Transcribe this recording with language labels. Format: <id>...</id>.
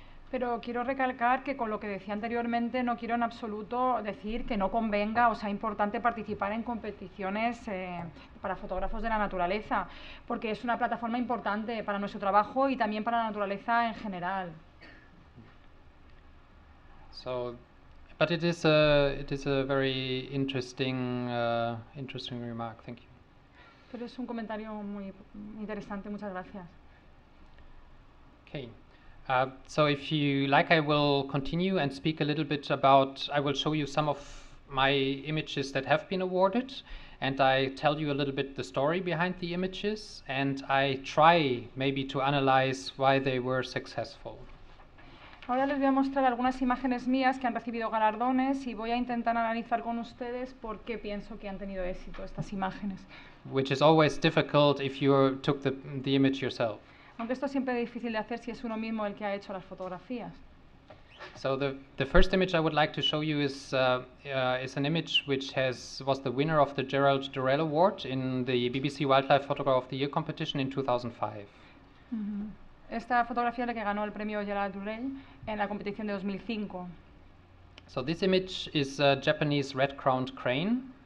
<es>Pero quiero recalcar que con lo que decía anteriormente no quiero en absoluto decir que no convenga o sea importante participar en competiciones para fotógrafos de la naturaleza, porque es una plataforma importante para nuestro trabajo y también para la naturaleza en general.</es> <en>So, but it is a very interesting remark. Thank you.</en> <es>Pero es un comentario muy interesante. Muchas gracias.</es> <en>Okay. So if you like, I will continue and speak a little bit about, I will show you some of my images that have been awarded, and I tell you a little bit the story behind the images, and I try maybe to analyze why they were successful.</en> <es>Ahora les voy a mostrar algunas imágenes mías que han recibido galardones y voy a intentar analizar con ustedes por qué pienso que han tenido éxito estas imágenes.</es> <en>Which is always difficult if you took the image yourself.</en> <es>Aunque esto siempre es difícil de hacer si es uno mismo el que ha hecho las fotografías.</es> <en>So the first image I would like to show you is an image which was the winner of the Gerald Durrell Award in the BBC Wildlife Photographer of the Year competition in 2005. Mm-hmm.</en> <es>Esta fotografía es la que ganó el premio Gerald Durrell en la competición de 2005.</es> <en>So this image is a Japanese red-crowned crane.</en>